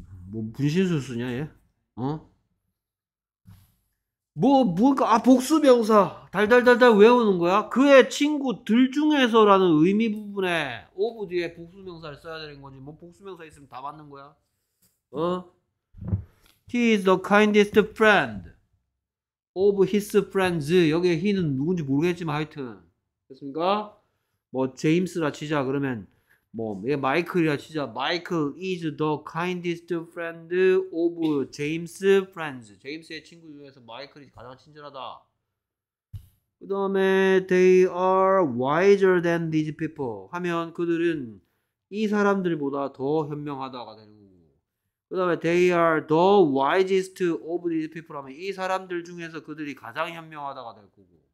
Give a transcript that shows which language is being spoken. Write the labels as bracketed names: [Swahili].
[Korean] 뭐 분신술 쓰냐 얘? 어? 뭐 뭘까? 아, 복수명사 달달달달 외우는 거야? 그의 친구들 중에서라는 의미 부분에 of 뒤에 복수명사를 써야 되는 거지. 뭐 복수명사 있으면 다 맞는 거야. 어? [English] He is the kindest friend of his friends. [Korean] 여기에 he는 누군지 모르겠지만 하여튼 됐습니까? 뭐 제임스라 치자. 그러면 뭐 이게 마이클이라 치자. [English] Michael is the kindest friend of James' friends. [Korean] 제임스의 친구 중에서 마이클이 가장 친절하다. 그 다음에 [English] they are wiser than these people [Korean] 하면 그들은 이 사람들보다 더 현명하다가 되는 거고, 그다음에 [English] they are the wisest of these people [Korean] 하면 이 사람들 중에서 그들이 가장 현명하다가 될 거고.